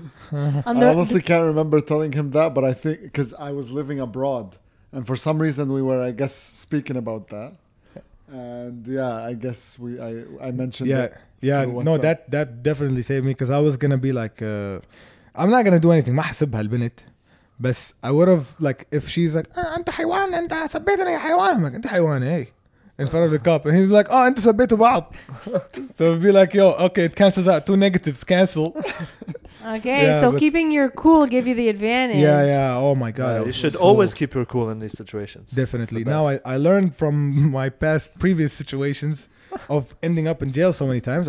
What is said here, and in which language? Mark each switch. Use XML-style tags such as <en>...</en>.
<en>I honestly can't remember telling him that, but I think because I was living abroad. And for some reason, we were, I guess, speaking about that. And yeah, I guess I mentioned that. Yeah, no, that definitely saved me because I was going to be like, I'm not going to do anything. But I would have, like, if she's like,</en> <ar>أنت حيوان, أنت سبيتني حيوان.</ar> <en>I'm like,</en> <ar>أنت حيوان,</ar> <en>hey. In front of the cop, and he's like, oh, and it's a bit about. So it'd be like, yo, okay, it cancels out. Two negatives cancel. Okay, yeah, so keeping your cool gave you the advantage. Yeah, yeah. Oh my God. Yeah, you should always keep your cool in these situations. Definitely. Now I learned from my past previous situations of ending up in jail so many times.</en>